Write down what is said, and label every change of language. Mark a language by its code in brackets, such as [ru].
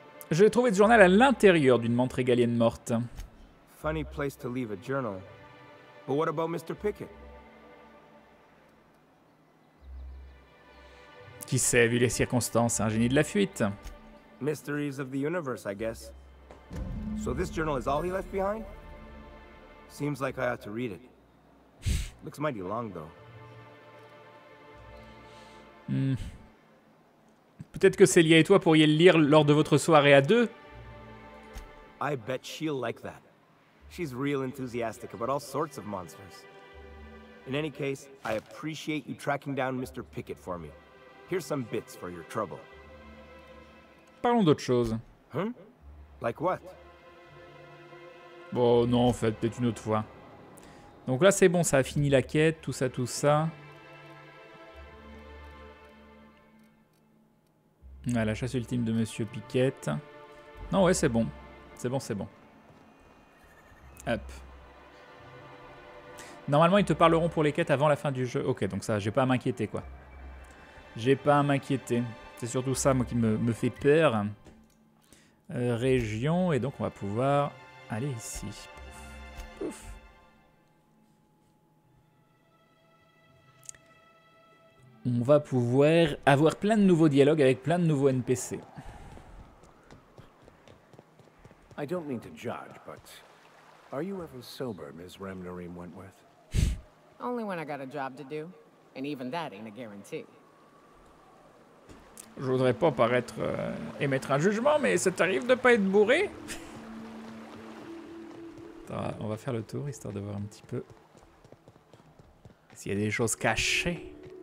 [fr] J'ai trouvé ce journal à l'intérieur d'une mante régalienne morte. [en] Funny place to leave a journal. But what about Mr. Pickett? [fr] Qui sait, vu les circonstances, un génie de la fuite. [en] Mysteries of the universe, I guess. So this journal is all he left behind? Seems like I ought to read it. Looks mighty long though. [fr] Peut-être que Célia et toi pourriez le lire lors de votre soirée à deux. [en] I bet she'll like that. She's real enthusiastic about all sorts of monsters. In any case, I appreciate you tracking down Mr. Pickett for me. Here's some bits for your trouble. [fr] Parlons d'autre chose. [en] Hmm? Like what? [fr] Bon, non, en fait, peut-être une autre fois. Donc là, c'est bon, ça a fini la quête, tout ça, tout ça. Ah, la chasse ultime de Monsieur Piquette. Non, ouais, c'est bon. C'est bon, c'est bon. Hop. Normalement, ils te parleront pour les quêtes avant la fin du jeu. Ok, donc ça, j'ai pas à m'inquiéter, quoi. J'ai pas à m'inquiéter. C'est surtout ça, moi, qui me fait peur. Région, et donc on va pouvoir aller ici. Pouf. Pouf. On va pouvoir avoir plein de nouveaux dialogues avec plein de nouveaux NPC. [en] I don't mean to judge, but are you ever sober, Miss Remnarine Wentworth? Only when I got a job to do, and even that ain't a guarantee. [fr] Je voudrais pas paraître émettre un jugement, mais ça t'arrive de pas être bourré? Attends, on va faire le tour histoire de voir un petit peu s'il y a des choses cachées.